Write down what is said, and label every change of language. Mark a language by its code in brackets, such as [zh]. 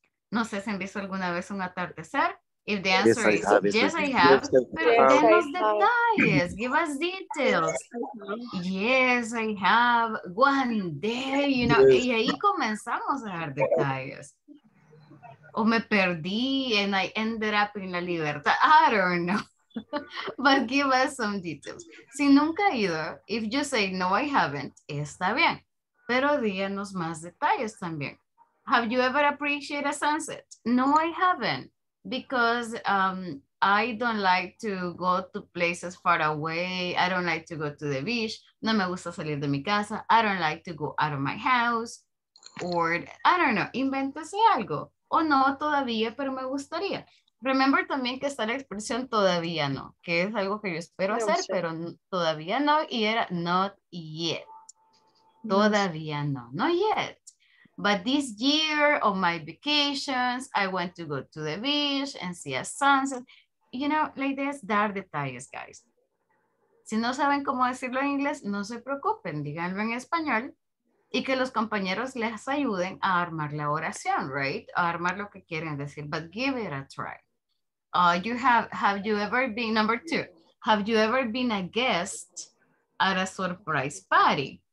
[es] No sé si han visto alguna vez un atardecer. [en] If the answer yes, is yes, I have. [es] Pero denos detalles. [en] Give us details. Yes, I have. One day, you know. Yes. [es] Y ahí comenzamos a dar detalles. O me perdí [en] and I ended up in La Libertad. I don't know. But give us some details. [es] Si nunca he ido, [en] if you say no, I haven't, [es] está bien. Pero díganos más detalles también. [en] Have you ever appreciated a sunset? No, I haven't. Because I don't like to go to places far away. I don't like to go to the beach. [es] No me gusta salir de mi casa. [en] I don't like to go out of my house. Or, I don't know, [es] invéntese algo. O no, todavía, pero me gustaría. Remember también que está la expresión todavía no, que es algo que yo espero hacer, pero todavía no. Y era [en] not yet. [es] Todavía no, not yet. [en] But this year on my vacations, I want to go to the beach and see a sunset. You know, like this, [es] dar detalles, [en] guys. [es] Si no saben cómo decirlo en inglés, no se preocupen. Díganlo en español y que los compañeros les ayuden a armar la oración, right? A armar lo que quieren decir, [en] but give it a try. Have you ever been, number two, have you ever been a guest at a surprise party?